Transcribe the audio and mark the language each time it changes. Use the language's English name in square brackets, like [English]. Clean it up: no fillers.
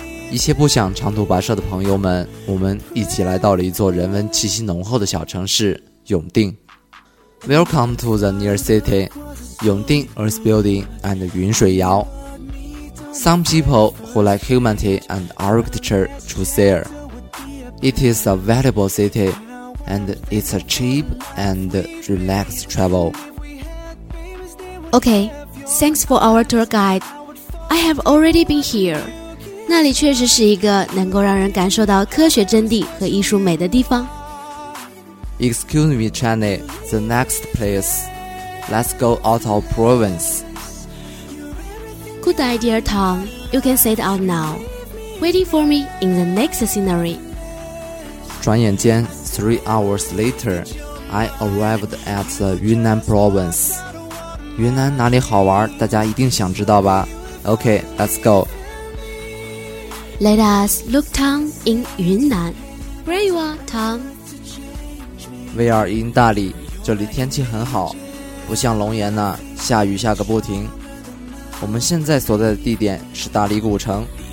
[Chinese] 一些不想长途跋涉的朋友们，我们一起来到了一座人文气息浓厚的小城市永定。 [English] Welcome to the near city, 永定 Earth Building and 云水谣 Some people who like humanity and architecture choose there. It is a valuable city, and it's a cheap and relaxed travel. Okay, thanks for our tour guide. I have already been here. [Chinese] 那里确实是一个能够让人感受到科学真谛和艺术美的地方。 [English] Excuse me, Chenny, the next place. Let's go out of province. Good idea, Tom. You can sit out now. Waiting for me in the next scenery. [Chinese] 转眼间, [English] 3 hours later, I arrived at the Yunnan province. [Chinese] 云南哪里好玩,大家一定想知道吧? [English] Okay, let's go. Let us look Tom in Yunnan. Where you are, Tom? We are in [Chinese] 大理，这里天气很好，不像龙岩那下雨下个不停。我们现在所在的地点是大理古城，